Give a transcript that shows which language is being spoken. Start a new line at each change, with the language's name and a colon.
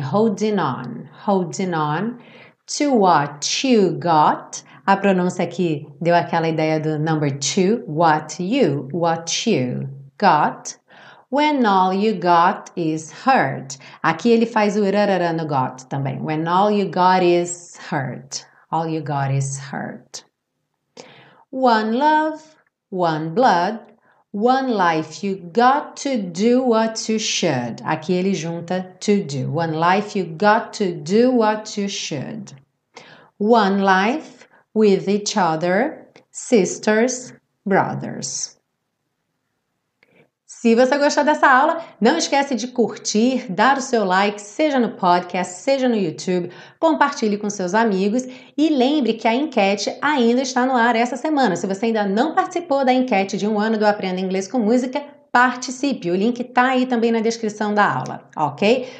English: Holding on. Holding on. To what you got.
Portuguese: A pronúncia aqui deu aquela ideia do number two.
English: What you got. When all you got is hurt.
Portuguese: Aqui ele faz o rarara no got também.
English: When all you got is hurt. All you got is hurt. One love, one blood, one life. You got to do what you should.
Portuguese: Aqui ele junta
English: to do. One life, you got to do what you should. One life with each other, sisters, brothers.
Portuguese: Se você gostou dessa aula, não esquece de curtir, dar o seu like, seja no podcast, seja no YouTube, compartilhe com seus amigos e lembre que a enquete ainda está no ar essa semana. Se você ainda não participou da enquete de um ano do Aprenda Inglês com Música, participe. O link está aí também na descrição da aula, ok?